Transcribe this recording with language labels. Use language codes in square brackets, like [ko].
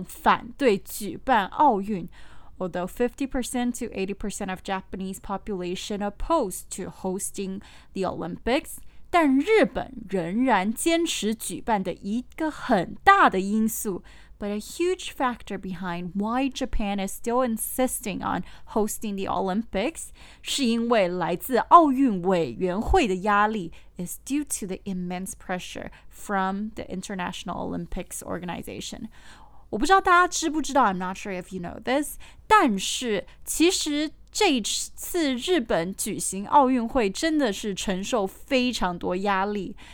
[zh] 尽管有50%到80%的日本民众反对举办奥运, [en] although 50% to 80% of Japanese population opposed to hosting the Olympics, [zh] 但日本仍然坚持举办的一个很大的因素, [en] but a huge factor behind why Japan is still insisting on hosting the Olympics [zh] 是因为来自奥运委员会的压力, [en] is due to the immense pressure from the International Olympics Organization. [zh] 我不知道大家知不知道, [en] I'm not sure if you know this, [zh] 但是其实这次日本举行奥运会真的是承受非常多压力。